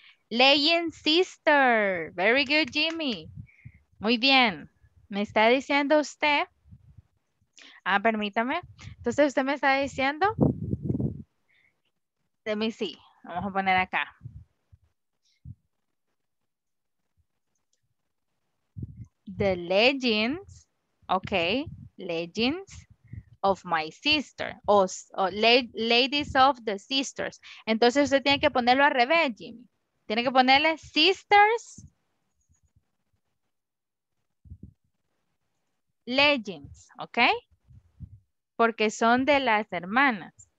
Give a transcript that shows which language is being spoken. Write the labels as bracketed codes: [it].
[en] Legend sister, very good, Jimmy. [es] Muy bien, me está diciendo usted, permítame, entonces usted me está diciendo, [en] let me see, [es] vamos a poner acá. [en] The legends, okay, legends of my sister, ladies of the sisters. [es] Entonces usted tiene que ponerlo al revés, Jimmy. Tiene que ponerle [en] sisters, legends, okay? [es] Porque son de las hermanas.